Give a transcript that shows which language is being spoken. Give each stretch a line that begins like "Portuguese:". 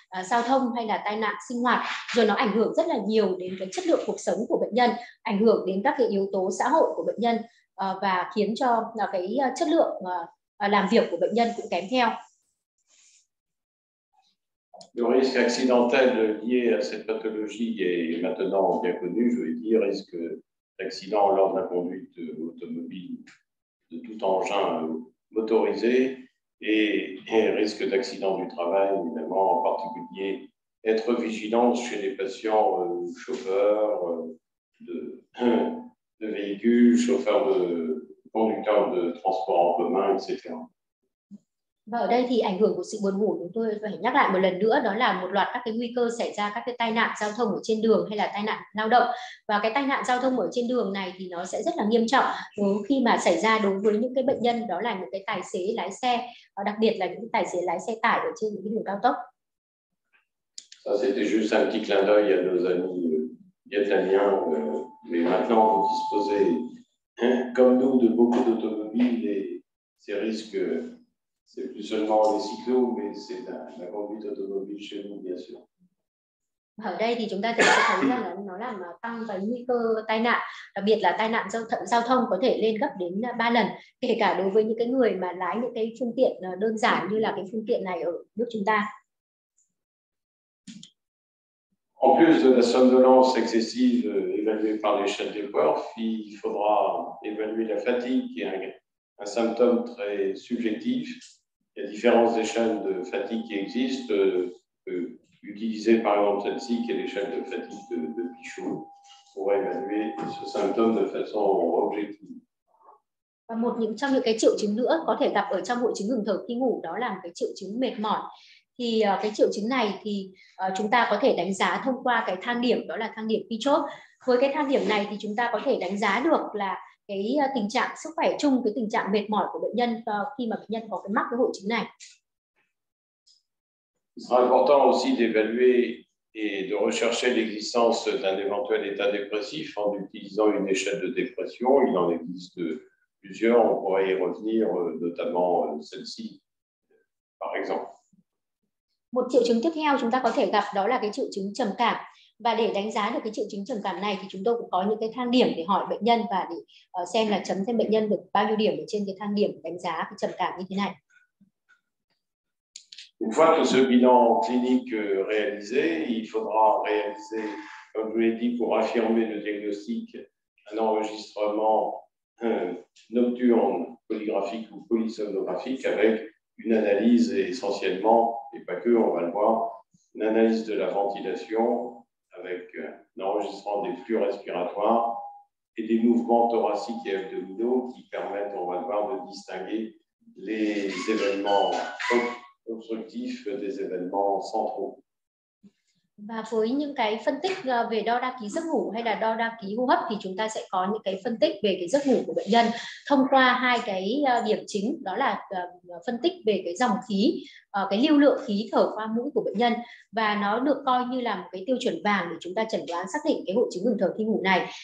Vietnamese: giao thông hay là tai nạn sinh hoạt, rồi nó ảnh hưởng rất là nhiều đến cái chất lượng cuộc sống của bệnh nhân, ảnh hưởng đến các cái yếu tố xã hội của bệnh nhân và khiến cho cái chất lượng làm việc của bệnh nhân cũng kém theo.
French: Le risque accidentel lié à cette pathologie est maintenant bien connu, je vais dire, risque d'accident lors de la conduite automobile de tout engin motorisé et risque d'accident du travail, évidemment, en particulier être vigilant chez les patients chauffeurs de véhicules, chauffeurs de conducteurs de transport en commun, etc.
Vietnamese: Và ở đây thì ảnh hưởng của sự buồn ngủ, chúng tôi phải nhắc lại một lần nữa, đó là một loạt các cái nguy cơ xảy ra các cái tai nạn giao thông ở trên đường hay là tai nạn lao động. Và cái tai nạn giao thông ở trên đường này thì nó sẽ rất là nghiêm trọng khi mà xảy ra đối với những cái bệnh nhân, đó là những cái tài xế lái xe, và đặc biệt là những tài xế lái xe tải ở trên những cái đường cao tốc.
French: Ça, c'était juste un petit clin d'œil à nos amis vietnamiens, mais maintenant vous disposez, hein, comme nous, de beaucoup d'automobiles et ces risques, c'est plus seulement les cyclos, mais c'est la conduite automobile chez nous, bien sûr.
Vietnamese: Ở đây thì chúng ta sẽ thấy rằng là nó làm tăng cái nguy cơ tai nạn, đặc biệt là tai nạn giao thông có thể lên gấp đến 3 lần, kể cả đối với những cái người mà lái những cái phương tiện đơn giản như là cái phương tiện này ở nước chúng ta.
French: En plus de la somnolence excessive évaluée par les chaînes de Worth, il faudra évaluer la fatigue, qui est un symptôme très subjectif. Il y a différentes échelles de fatigue qui existent, utilisées par exemple celle-ci, qui est l'échelle de fatigue de Pichot, pour évaluer ce symptôme de façon objective.
Vietnamese: Và một trong những cái triệu chứng nữa có thể gặp ở trong hội chứng ngừng thở khi ngủ, đó là một cái triệu chứng mệt mỏi. Thì cái triệu chứng này thì chúng ta có thể đánh giá thông qua cái thang điểm, đó là thang điểm Pichot. Với cái thang điểm này thì chúng ta có thể đánh giá được là cái tình trạng sức khỏe chung, cái tình trạng mệt mỏi của bệnh nhân khi mà bệnh nhân có cái mắc cái hội chứng này.
French: Il sera important aussi d'évaluer et de rechercher l'existence d'un éventuel état dépressif en utilisant une échelle de dépression. Il en existe plusieurs, on pourrait y revenir, notamment celle-ci, par exemple.
Vietnamese: Một triệu chứng tiếp theo chúng ta có thể gặp đó là cái triệu chứng trầm cảm. Và để đánh giá được cái triệu chứng trầm cảm này thì chúng tôi cũng có những cái thang điểm để hỏi bệnh nhân và để xem là chấm thêm bệnh nhân được bao nhiêu điểm ở trên cái thang điểm đánh giá cái trầm cảm như thế này.
French: Une fois que ce bilan clinique réalisé, il faudra réaliser, comme je l'ai dit, pour affirmer le diagnostic, un enregistrement nocturne, polygraphique ou polysomnographique avec une analyse essentiellement, et pas que, on va le voir, une analyse de la ventilation avec un enregistrement des flux respiratoires et des mouvements thoraciques et abdominaux qui permettent, on va le voir, de distinguer les événements obstructifs des événements centraux.
Vietnamese: Và với những cái phân tích về đo đa ký giấc ngủ hay là đo đa ký hô hấp thì chúng ta sẽ có những cái phân tích về cái giấc ngủ của bệnh nhân thông qua hai cái điểm chính, đó là phân tích về cái dòng khí, cái lưu lượng khí thở qua mũi của bệnh nhân, và nó được coi như là một cái tiêu chuẩn vàng để chúng ta chẩn đoán xác định cái hội chứng ngừng thở khi ngủ này.